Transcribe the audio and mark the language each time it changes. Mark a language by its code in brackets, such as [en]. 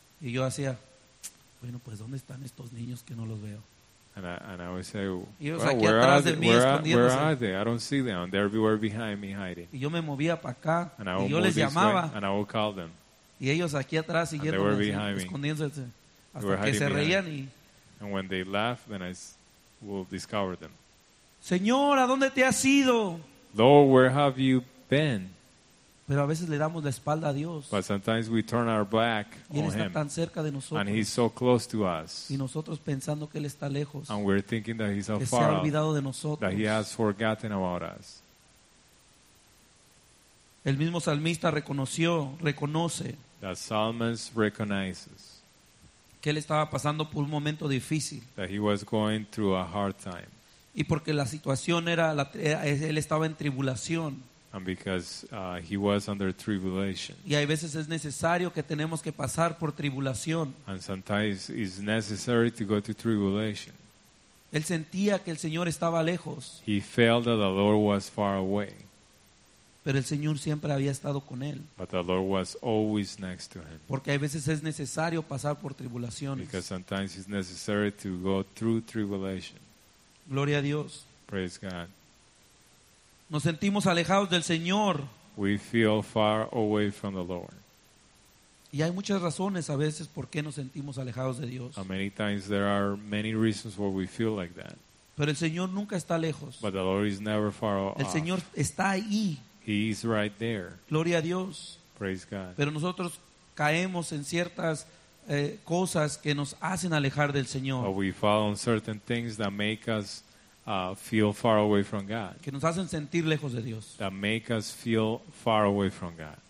[es] Y yo hacía, bueno, pues, ¿dónde están estos niños que no los veo? [en] And I would say, where are they? I don't see them. They're everywhere behind me hiding. [es] Y yo me movía para acá. Y yo les llamaba. [en] Way, and I would call them. [es] Y ellos aquí atrás siguiendo escondiéndose hasta que se reían y [en] and when they laugh, then I will discover them. [es] Señor, ¿a dónde te has ido? [en] Lord, where have you been? [es] Pero a veces le damos la espalda a Dios. [en] But sometimes we turn our back [es] y él [en] on [es] está [en] him, [es] tan cerca de nosotros. [en] And he's so close to us. [es] Y nosotros pensando que él está lejos. [en] And we're thinking that he's [es] que [en] afar. [es] Se ha olvidado de nosotros. [en] That he has forgotten about us. [es] El mismo salmista reconoce [en] that Solomon's recognizes [es] que él estaba pasando por un momento difícil. [en] That he was going through a hard time. [es] Y porque la situación era él estaba en tribulación. [en] And because he was under tribulation. [es] Y hay veces es necesario que tenemos que pasar por tribulación. [en] And sometimes it's necessary to go through tribulation. [es] Él sentía que el Señor estaba lejos. [en] He felt that the Lord was far away. [es] Pero el Señor siempre había estado con él. [en] But the Lord was always next to him. [es] Porque a veces es necesario pasar por tribulaciones. [en] Because sometimes it's necessary to go through tribulation. [es] Gloria a Dios. [en] Praise God. [es] Nos sentimos alejados del Señor. [en] We feel far away from the Lord. [es] Y hay muchas razones a veces por qué nos sentimos alejados de Dios. [en] And many times there are many reasons why we feel like that. [es] Pero el Señor nunca está lejos. [en] But the Lord is never far off. [es] El Señor está ahí. [en] He's right there. [es] Gloria a Dios. [en] Praise God. [es] Pero nosotros caemos en ciertas cosas que nos hacen alejar del Señor. [en] But we fall on certain things that make us feel far away from God. [es] Que nos hacen sentir lejos de Dios. [en] That make us feel far away from God.